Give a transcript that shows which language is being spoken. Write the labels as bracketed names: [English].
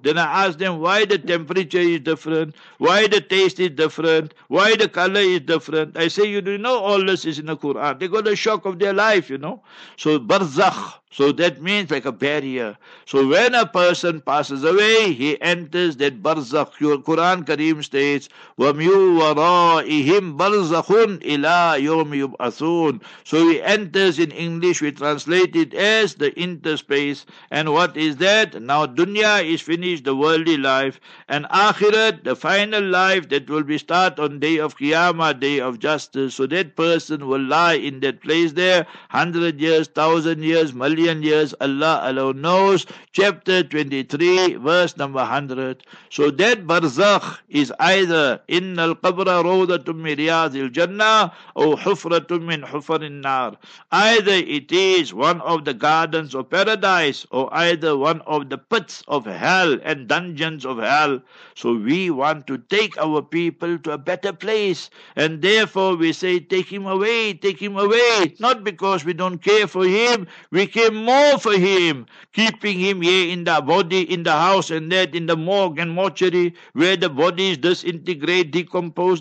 [English] Then I asked them, why the temperature is different, why the taste is different, why the color is different. I say, you know, all this is in the Quran. They got a shock of their life, you know. So barzakh, so that means like a barrier. So when a person passes away, he enters that barzakh. Your Quran Kareem states, [Arabic] وَمْيُوَرَائِهِمْ بَرْزَخٌ إِلَىٰ يَوْمِ يُبْعَثُونَ. [English] So he enters, in English, we translate it as the interspace. And what is that? Now dunya is finished, the worldly life. And akhirat, the final life that will be start on day of qiyamah, day of justice. So that person will lie in that place there, 100 years, 1,000 years, million years, Allah alone knows, chapter 23, verse number 100. So that barzakh is either [Arabic] إِنَّ الْقَبْرَ رَوْضَةٌ مِنْ رِيَاضِ الْجَنَّةِ أَوْ حُفْرَةٌ مِنْ حُفَرِ النَّارِ. [English] Either it is one of the gardens of paradise, or either one of the pits of hell and dungeons of hell. So we want to take our people to a better place, and therefore we say, take him away, not because we don't care for him, we care more for him, keeping him here in the body, in the house, and that in the morgue and mortuary, where the bodies disintegrate, decompose.